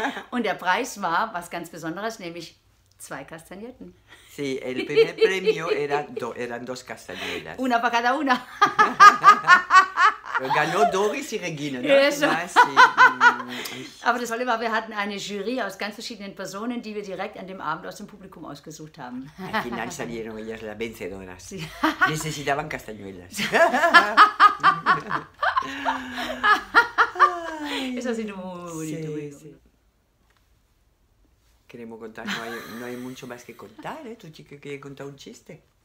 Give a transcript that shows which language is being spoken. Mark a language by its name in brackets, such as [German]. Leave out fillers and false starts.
[German] Und der Preis war was ganz Besonderes, nämlich zwei Kastagnetten. [Spanish] Sí, el primer premio eran dos castañuelas. Una para cada una. Ganó Doris y Regina. [German] Ja, ne? [Spanish] Sí. [German] Aber das Tolle war, wir hatten eine Jury aus ganz verschiedenen Personen, die wir direkt an dem Abend aus dem Publikum ausgesucht haben. [Spanish] Al final salieron ellas las vencedoras. Sí. Necesitaban castañuelas. Es así, muy bonito. Sí. Queremos contar, no hay mucho más que contar, ¿eh? Tu chica quiere contar un chiste.